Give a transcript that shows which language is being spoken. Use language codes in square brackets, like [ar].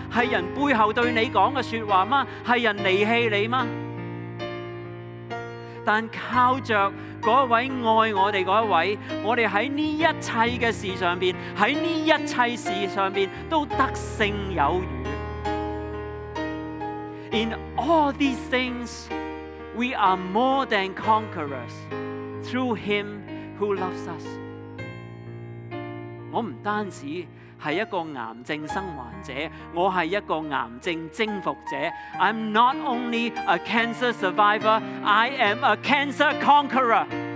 [zh] 是人背后对你讲的说话吗？是人离弃你吗？但靠着那位爱我们那位，我们在这一切的事上面，在这一切事上面都得胜有余。 [en] In all these things we are more than conquerors through him who loves us。 [zh] 我不单止是一个癌症生患者，我是一个癌症征服者。 [en] I'm not only a cancer survivor, I am a cancer conqueror。